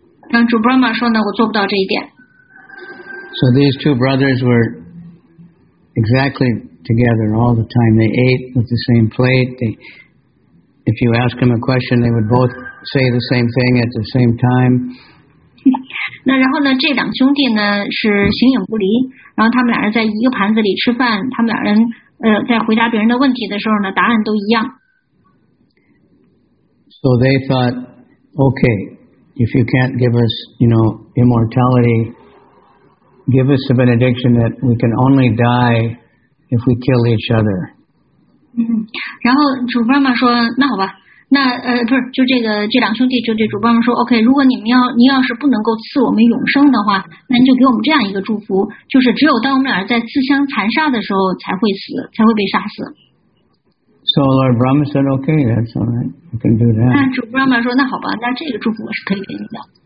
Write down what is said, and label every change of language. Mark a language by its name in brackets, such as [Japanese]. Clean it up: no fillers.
[Chinese] 但主 Brahma 说呢，我做不到这一点。 [English] So these two brothers were exactly together all the time. They ate with the same plate. If you ask them a question, they would both say the same thing at the same time. [Chinese] 那然后呢，这两兄弟呢是形影不离。然后他们俩人在一个盘子里吃饭，他们俩人在回答别人的问题的时候呢，答案都一样。 [English] So they thought, okay, if you can't give us, you know, immortality, give us a benediction that we can only die if we kill each other. [Chinese] 嗯，然后主伯玛说，那好吧。那不是，就这两兄弟就对主伯母说 ，OK， 如果您要是不能够赐我们永生的话，那您就给我们这样一个祝福，就是只有当我们俩在自相残杀的时候才会死，才会被杀死。 [English] So Lord Brahma said, "Okay, that's all right. We can do that." [Chinese] 那主伯母说，那好吧，那这个祝福我是可以给你的。